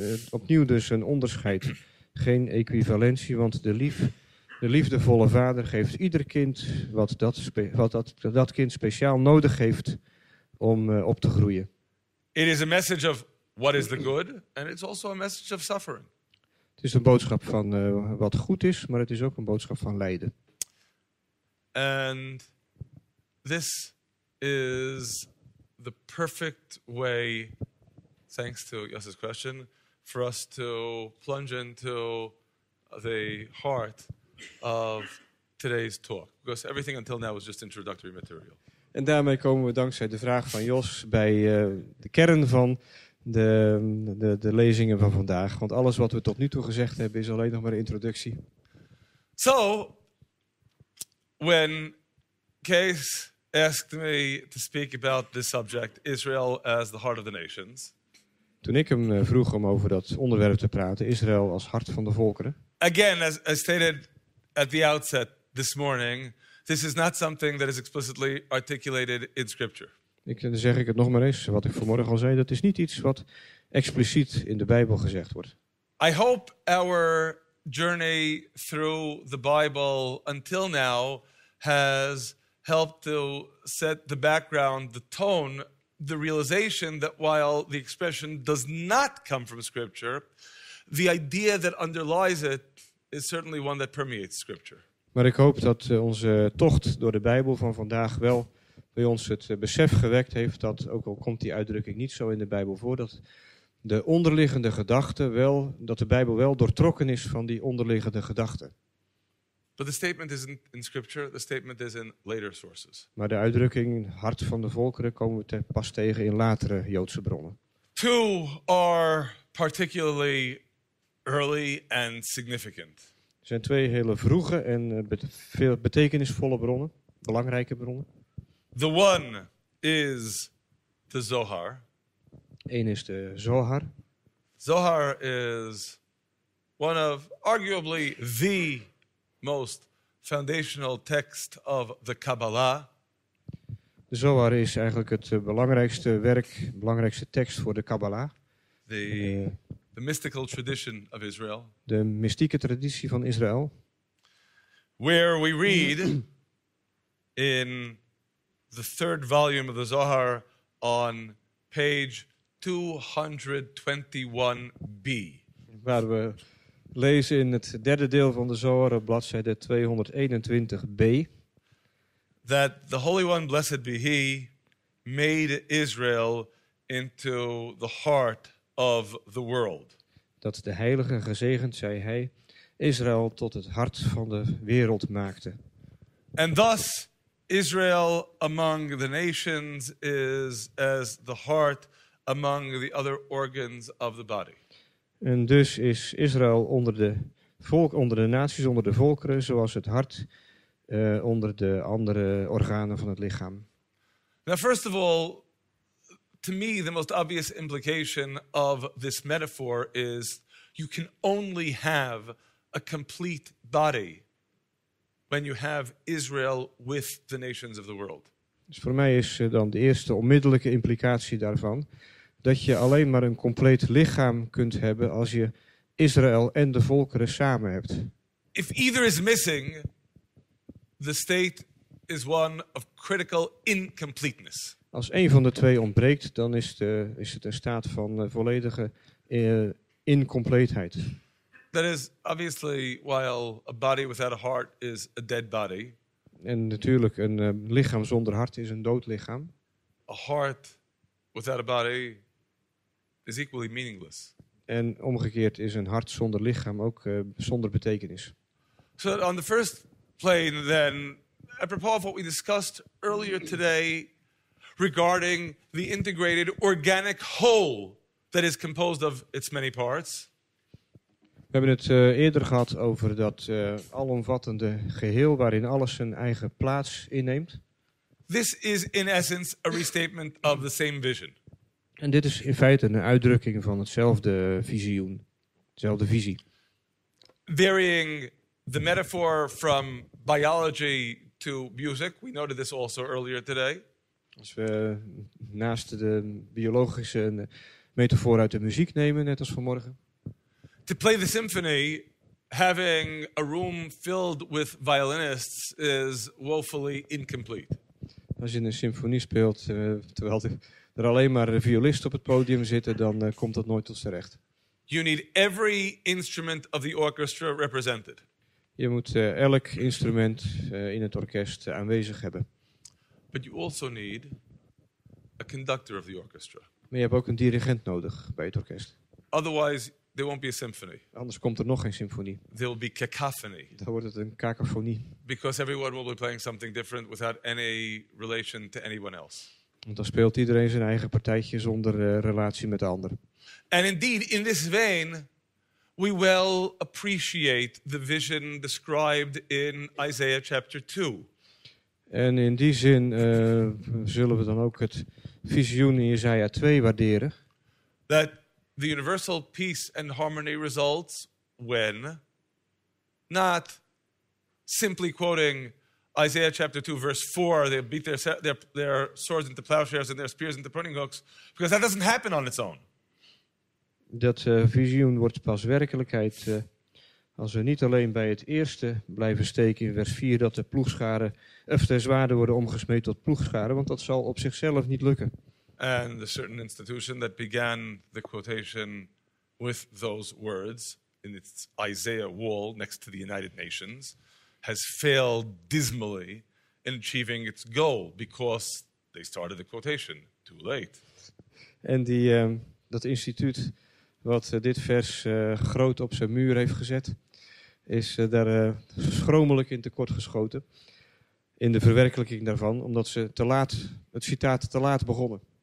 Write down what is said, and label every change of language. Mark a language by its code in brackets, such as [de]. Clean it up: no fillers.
[nl] Opnieuw dus een onderscheid. Geen equivalentie, want de liefdevolle vader geeft ieder kind wat dat kind speciaal nodig heeft om op te groeien. [en] It is a message of what is the good, and it's also a message of suffering. [nl] Het is een boodschap van wat goed is, maar het is ook een boodschap van lijden. [en] And this is the perfect way, thanks to Jos's question, for us to plunge into the heart of today's talk. Because everything until now was just introductory material. [nl] En daarmee komen we dankzij de vraag van Jos bij de kern van de lezingen van vandaag. Want alles wat we tot nu toe gezegd hebben is alleen nog maar de introductie. [en] So, when Kees asked me to speak about this subject, Israel as the heart of the nations. [nl] Toen ik hem vroeg om over dat onderwerp te praten, Israël als hart van de volkeren. [en] Again, as I stated at the outset this morning, this is not something that is explicitly articulated in Scripture. [nl] Dan zeg ik het nog maar eens, wat ik vanmorgen al zei, dat is niet iets wat expliciet in de Bijbel gezegd wordt. [en] I hope our journey through the Bible until now has helped to set the background, the tone, the realization that while the expression does not come from Scripture, the idea that underlies it is certainly one that permeates Scripture. [nl] Maar ik hoop dat onze tocht door de Bijbel van vandaag wel bij ons het besef gewekt heeft dat, ook al komt die uitdrukking niet zo in de Bijbel voor, dat de onderliggende gedachte wel, dat de Bijbel wel doortrokken is van die onderliggende gedachte. [en] But the statement isn't in Scripture, the statement is in later sources. [nl] Maar de uitdrukking hart van de volkeren komen we pas tegen in latere Joodse bronnen. [en] Two are particularly early and significant. [nl] Er zijn twee hele vroege en veel betekenisvolle bronnen, belangrijke bronnen. [en] The one is the Zohar. [nl] Eén is de Zohar. [en] Zohar is one of arguably the most foundational text of the Kabbalah. [nl] De Zohar is eigenlijk het belangrijkste werk, belangrijkste tekst voor de Kabbalah. [en] The mystical tradition of Israel. [nl] De mystieke traditie van Israël. [en] Where we read in the third volume of the Zohar on page 221b. [nl] Waar we lezen in het derde deel van de Zohar op bladzijde 221b. [en] That the Holy One, blessed be He, made Israel into the heart of the world. [nl] Dat de Heilige, gezegend zij Hij, Israël tot het hart van de wereld maakte. [en] And thus Israel among the nations is as the heart among the other organs of the body. [nl] En dus is Israël onder de volk, onder de naties, onder de volkeren, zoals het hart onder de andere organen van het lichaam. [en] Now first of all, to me the most obvious implication of this metaphor is you can only have a complete body when you have Israel with the nations of the world. [nl] Dus voor mij is dan de eerste onmiddellijke implicatie daarvan dat je alleen maar een compleet lichaam kunt hebben als je Israël en de volkeren samen hebt. [en] If either is missing, the state is one of critical incompleteness. [nl] Als een van de twee ontbreekt, dan is het een staat van volledige incompleetheid. [en] That is obviously while a body without a heart is a dead body. [nl] En natuurlijk een lichaam zonder hart is een dood lichaam. [en] A heart without a body is equally meaningless. [nl] En omgekeerd is een hart zonder lichaam ook zonder betekenis. [en] So on the first plane then, apropos of what we discussed earlier today regarding the integrated organic whole that is composed of its many parts. [nl] We hebben het eerder gehad over dat alomvattende geheel waarin alles zijn eigen plaats inneemt. [en] This is in essence a restatement of the same vision. [nl] En dit is in feite een uitdrukking van hetzelfde visioen, dezelfde visie. [en] Varying the metaphor from biology to music, we noted this also earlier today. [nl] Als we naast de biologische metafoor uit de muziek nemen, net als vanmorgen. [en] To play the symphony, having a room filled with violinists is woefully incomplete. [nl] Als je een symfonie speelt, terwijl er alleen maar violisten op het podium zitten, dan komt dat nooit tot z'n recht. [en] You need every instrument of the orchestra represented. [nl] Je moet elk instrument in het orkest aanwezig hebben. [en] But you also need a conductor of the orchestra. [nl] Maar je hebt ook een dirigent nodig bij het orkest. [en] Otherwise, there won't be a symphony. [nl] Anders komt er nog geen symfonie. [en] There will be cacophony. [nl] Dan wordt het een cacophonie. [en] Because everyone will be playing something different without any relation to anyone else. [nl] Want dan speelt iedereen zijn eigen partijtje zonder relatie met de ander. [en] And indeed, in this vein, we well appreciate the vision described in Isaiah chapter 2. [nl] En in die zin zullen we dan ook het visioen in Jesaja 2 waarderen. [en] That the universal peace and harmony results when, not simply quoting Isaiah chapter 2 verse 4, they beat their swords into plowshares and their spears into pruning hooks, because that doesn't happen on its own. [nl] Dat visioen wordt pas werkelijkheid als we niet alleen bij het eerste blijven steken in vers 4, dat de ploegscharen of de zwaarden worden omgesmeed tot ploegscharen, want dat zal op zichzelf niet lukken. [en] And a certain institution that began the quotation with those words in its Isaiah wall next to the United Nations has failed dismally in achieving its goal because they started the quotation too late. [nl] En die dat instituut wat dit vers groot op zijn muur heeft gezet, is daar schromelijk in tekort geschoten in de verwerkelijking daarvan, omdat ze te laat het citaat te laat begonnen.